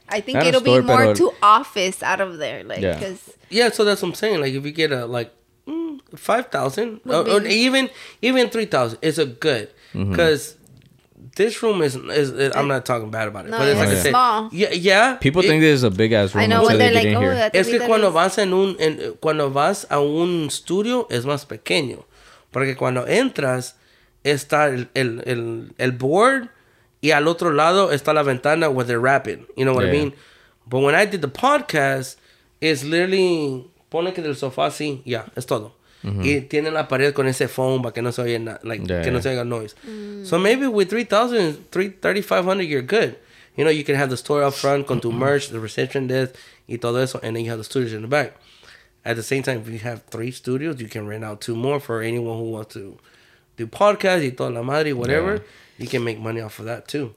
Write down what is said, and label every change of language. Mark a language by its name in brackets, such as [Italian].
[English] I think it'll be more to office out of there, like So that's what I'm saying. Like, if you get a 5,000 or even 3,000, it's a good because this room is I'm not talking bad about it, no, but it's like small. Yeah. People think this is a big ass room. I know when they're like, oh, [Spanish] es que cuando vas en un cuando vas a un estudio es más pequeño. Porque cuando entras, está el board y al otro lado está la ventana [English] where they're rapping. You know what I mean? But when I did the podcast, it's literally, [Spanish] pone que del sofá así, es todo. Mm-hmm. Y tiene la pared con ese foam para que no se oiga que no se oiga noise. Mm. [English] So maybe with 3,500, you're good. You know, you can have the store up front, [Spanish] con tu merch, [English] the reception desk, [Spanish] y todo eso, [English] and then you have the studios in the back. At the same time, if you have 3 studios, you can rent out 2 more for anyone who wants to do podcasts, [Spanish] y toda la madre, [English] whatever. Yeah. You can make money off of that, too.